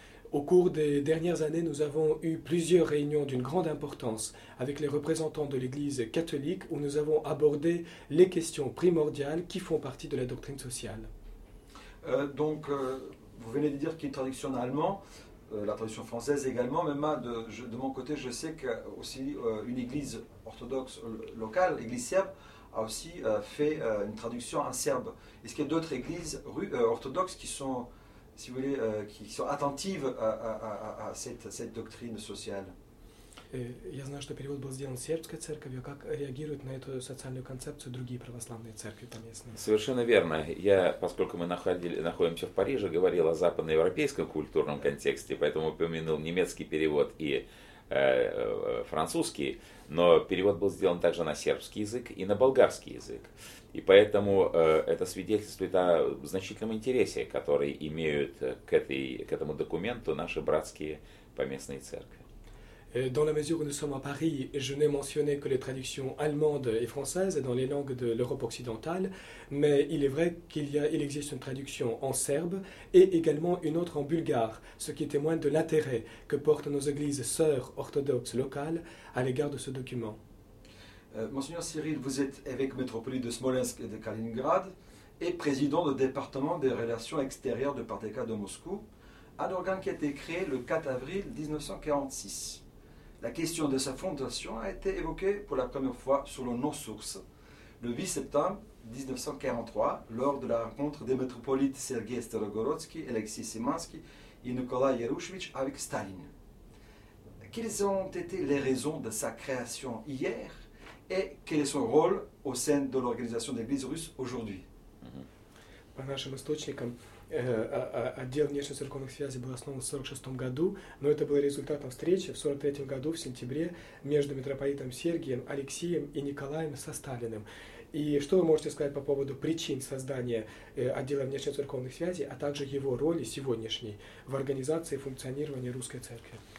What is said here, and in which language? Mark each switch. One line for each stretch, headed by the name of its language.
French: Au cours des dernières années, nous avons eu plusieurs réunions d'une grande importance avec les représentants de l'Église catholique où nous avons abordé les questions primordiales qui font partie de la doctrine sociale. Vous venez de dire qu'il y a une traduction en allemand, la traduction française également, mais de mon côté, je sais qu'aussi une église orthodoxe locale, l'église serbe, a aussi fait une traduction en serbe. Est-ce qu'il y a d'autres églises orthodoxes qui sont... Si vous voulez, qui sont attentives à cette doctrine sociale.
Russian: Я знаю, что перевод был сделан сербской церковью. Как реагируют на эту социальную концепцию другие православные церкви там местные? Совершенно верно. Я, поскольку мы находимся в Париже, говорил о западноевропейском культурном контексте, поэтому упомянул немецкий перевод и французский, но перевод был сделан также на сербский язык и на болгарский язык. И поэтому это свидетельствует о значительном интересе, который имеют к этому документу наши братские поместные церкви.
French: Dans la mesure où nous sommes à Paris, je n'ai mentionné que les traductions allemandes et françaises dans les langues de l'Europe occidentale, mais il est vrai qu'il existe une traduction en serbe et également une autre en bulgare, ce qui témoigne de l'intérêt que portent nos églises sœurs orthodoxes locales à l'égard de ce document. Monseigneur Cyril, vous êtes évêque métropolite de Smolensk et de Kaliningrad et président du département des relations extérieures de Parteka de Moscou, un organe qui a été créé le 4 avril 1946. La question de sa fondation a été évoquée pour la première fois sur le non-source, le 8 septembre 1943, lors de la rencontre des métropolites Sergueï Starogorodski, Alexis Simansky et Nikolaï Yaroshevitch avec Staline. Quelles ont été les raisons de sa création hier et quel est son rôle au sein de l'organisation de l'Église russe aujourd'hui?
Russian: По нашим источникам, отдел внешней церковных связей был основан в 1946 году, но это было результатом встречи в 1943 году в сентябре между митрополитом Сергием, Алексеем и Николаем со Сталиным. И что вы можете сказать по поводу причин создания отдела внешней церковных связей, а также его роли сегодняшней в организации функционирования русской церкви?